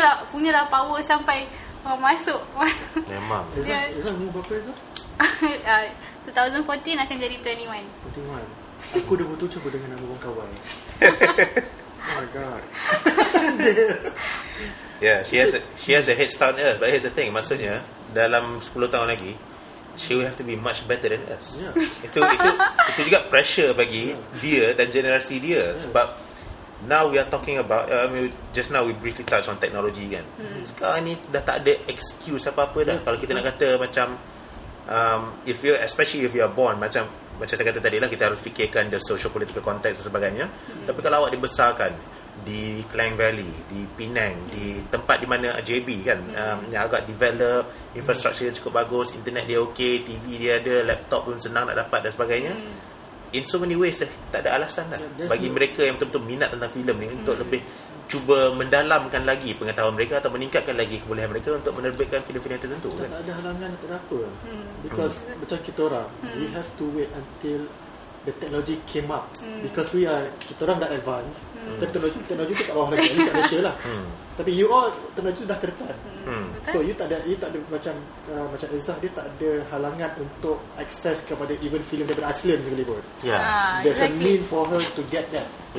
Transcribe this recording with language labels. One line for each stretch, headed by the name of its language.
Malay: Punyalah power sampai masuk. Memang. Ezra, 2014 akan jadi 21. Aku dah betul cuba dengan nama Wang Kawan.
English: Oh my god. Yeah, she has a head start on us, but here's the thing,
Malay: maksudnya dalam 10 tahun lagi
English: she will have to be much better than us.
Malay: Itu juga pressure bagi dia dan generasi dia. Sebab
English: now we are talking about just now we briefly touched on technology kan.
Malay: Sekarang ni dah tak ada excuse apa-apa dah. Kalau kita nak kata macam
English: if you, especially if you are born
Malay: macam saya kata tadi lah, kita harus fikirkan
English: the social political context
Malay: dan sebagainya. Tapi kalau awak dibesarkan di Klang Valley, di Penang, di tempat di mana JB kan, yang agak develop, infrastructure cukup bagus, internet dia okay, TV dia ada, laptop pun senang nak dapat dan sebagainya.
English: In so many ways,
Malay: tak ada alasan lah bagi mereka yang betul-betul minat tentang filem ni untuk lebih cuba mendalamkan lagi pengetahuan mereka atau meningkatkan lagi kebolehan mereka untuk menerbitkan filem-filem tertentu. Tak ada halangan untuk apa.
English: Because
Malay: macam kita orang,
English: we have to wait until the technology came up. Because we are,
Malay: kita orang dah advance. Teknologi tu tak bawah lagi, ni kat Malaysia lah. Tapi you all, teknologi tu dah ke depan. So you tak ada macam macam Izzah, dia tak ada halangan untuk akses kepada even filem daripada Aslan sekalipun.
English: There's a mean for her to get that.